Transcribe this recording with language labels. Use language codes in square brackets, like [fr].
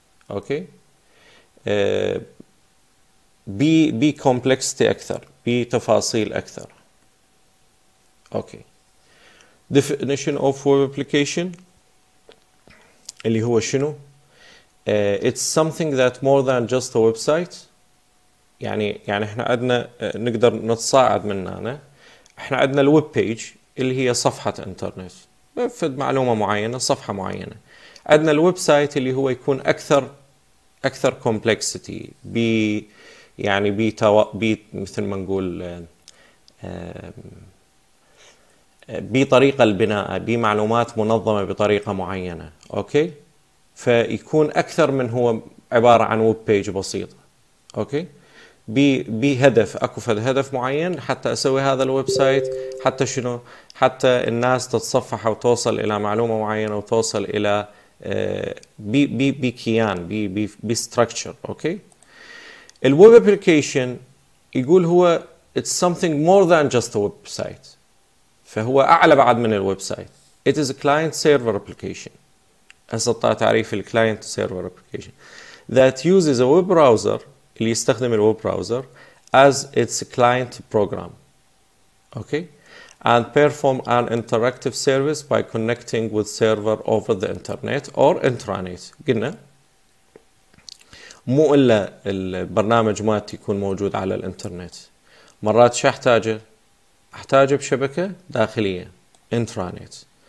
[ar] اوكي؟ بي كومبلكستي اكثر، بي تفاصيل اكثر. [en] Okay. Definition of web application [ar] اللي هو شنو؟ [en] It's something that more than just a website. [ar] يعني احنا عندنا نقدر نتصاعد من هنا. احنا عندنا الويب بيج اللي هي صفحة انترنت. بفد معلومة معينة صفحة معينة. عندنا الويب سايت اللي هو يكون أكثر كومبلكسيتي بي يعني بي توا بي مثل ما نقول بطريقة البناء بمعلومات منظمة بطريقة معينة. أوكي، فيكون أكثر من هو عبارة عن ويب بيج بسيط. أوكي، بي هدف، اكو فد هدف معين حتى اسوي هذا الويب سايت، حتى شنو، حتى الناس تتصفح وتوصل الى معلومه معينه وتوصل الى بي بي بي كيان بي بي بي ستراكشر. اوكي، الويب ابلكيشن يقول هو [en] it's something more than just a website. [ar] فهو اعلى بعد من الويب سايت. [en] It is a client server application. [ar] هسه طلع تعريف الكلاينت سيرفر ابلكيشن [en] that uses a web browser, [ar] اللي يستخدم الويب براوزر [en] as its client program. Okay? And perform an interactive service by connecting with server over the internet or intranet. [ar] قلنا مو إلا البرنامج ما تكون موجود على الانترنت. مرات شو أحتاجه؟ أحتاجه بشبكة داخلية intranet.